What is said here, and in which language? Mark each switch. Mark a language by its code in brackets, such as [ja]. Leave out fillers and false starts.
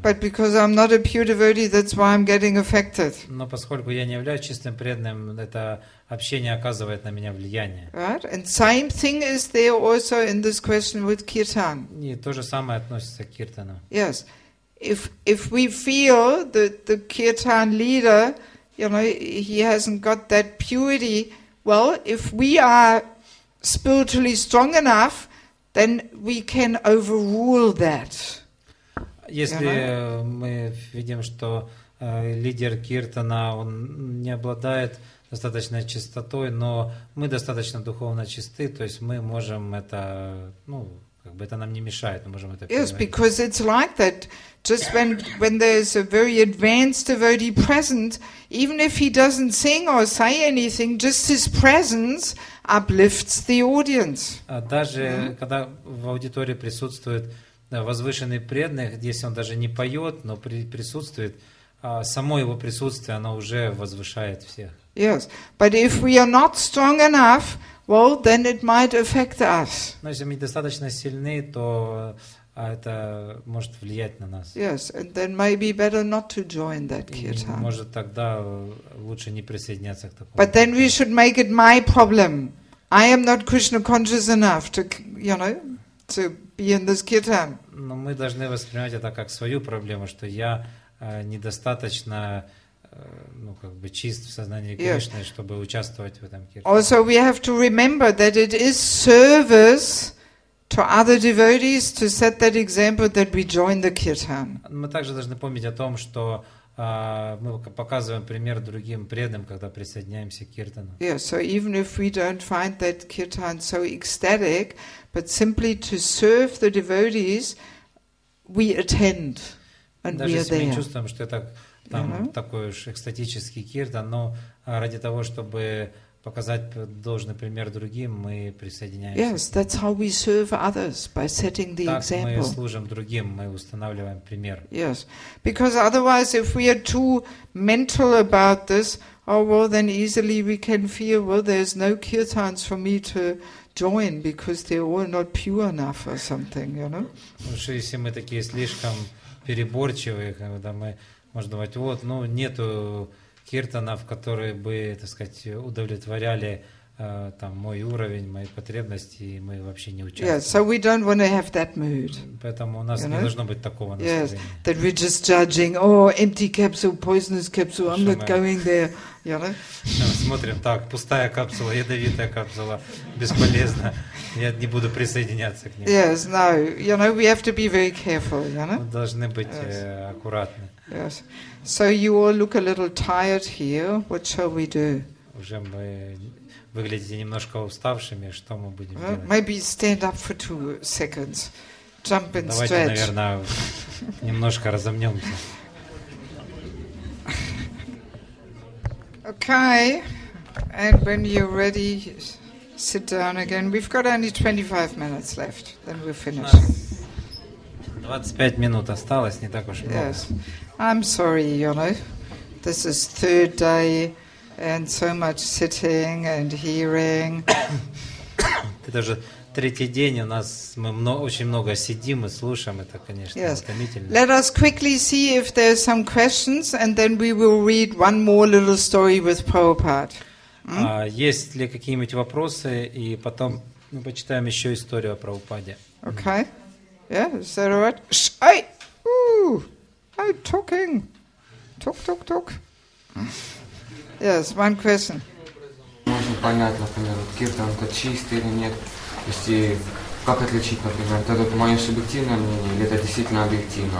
[en] But because I'm not a pure devotee, that's why I'm getting affected. [ru] Но поскольку я не являюсь чистым преданным, это общение оказывает на меня влияние. [en] Right, and same thing is there also in this question with kirtan. [ru] И то же самое относится к киртану. [en] Yes. If we feel that the kirtan leader, you know, he hasn't got that purity, well, if we are spiritually strong enough, then we can overrule that. [ru] Если мы видим, что лидер киртана, он не обладает достаточной чистотой, но мы достаточно духовно чисты, то есть мы можем это, ну, как бы это нам не мешает, мы можем это принимать. [en] Yes, because it's like that. Just when there's a very advanced devotee present, even if he doesn't sing or say anything, just his presence uplifts the audience. [ru] Даже когда в аудитории присутствует возвышенный преданный, если он даже не поет, но присутствует, само его присутствие, оно уже возвышает всех. [en] Yes, but if we are not strong enough, well, then it might affect us. [ru] Но если мы недостаточно сильны, то это может влиять на нас. [en] Yes, and then maybe better not to join that kirtan. [ru] Может тогда лучше не присоединяться к такому. [en] But then we should make it my problem. I am not Krishna conscious enough to, you know, to be in this kirtan. [ru] Но мы должны воспринимать это как свою проблему, что я недостаточно, ну, как бы чист в сознании Кришны, yes, чтобы участвовать в этом киртане. [en] Also, we have to remember that it is service to other devotees to set that example that we join the kirtan. [ru] Мы также должны помнить о том, что мы показываем пример другим преданным, когда присоединяемся к киртану. [en] Yes, so even if we don't find that kirtan so ecstatic, but simply to serve the devotees, we attend. [ru] Даже если мы чувствуем, что это там, такой уж экстатический киртан, но ради того, чтобы показать должный пример другим, мы присоединяемся. [en] Yes, that's how we serve others, by setting the example. [ru] Так мы служим другим, мы устанавливаем пример. [en] Yes, because otherwise, if we are too mental about this, oh well, then easily we can feel, well, there's no kirtans for me to join because they're all not pure enough or something, you know? [ru] Потому что если мы такие слишком переборчивые, когда мы, может быть, вот, ну, нету киртанов, которые бы, так сказать, удовлетворяли там мой уровень, мои потребности, и мы вообще не участвуем. [en] Yeah, so we don't want to have that mood. [ru] Поэтому у нас не должно быть такого настроения. [en] Yes, that we're just judging, oh, empty capsule, poisonous capsule, I'm not going there, you know? [ru] Смотрим, так, пустая капсула, ядовитая капсула, бесполезно. Я не буду присоединяться к ним. [en] Yes, no, you know, we have to be very careful, you know? [ru] Мы должны быть аккуратны. [en] Yes. So you all look a little tired here. What shall we do? [ru] Уже мы выглядите немножко уставшими. Что мы будем делать? [en] Maybe stand up for 2 seconds. Jump and [ru] Давайте, [en] stretch. [ru] Давайте, наверное, немножко разомнемся. [en] Okay. And when you're ready, sit down again. We've got only 25 minutes left. Then we'll finish. [ru] 25 минут осталось, не так уж много. [en] Yes. I'm sorry, you know, this is third day and so much sitting and hearing. [ru] Это же третий день, у нас мы очень много сидим и слушаем, это, конечно, утомительно. [en] Let us quickly see if there are some questions and then we will read one more little story with Prabhupada. [ru] Есть ли какие-нибудь вопросы, и потом мы почитаем еще историю о Прабхупаде. [en] Okay. Yeah, is that all right? Hey! Ooh! I'm talking! Talk, talk, talk! Yes, one question. [ru] Можно понять, например, киртан это чистый или нет? То есть, как отличить, например, это мое субъективное мнение или это действительно объективно?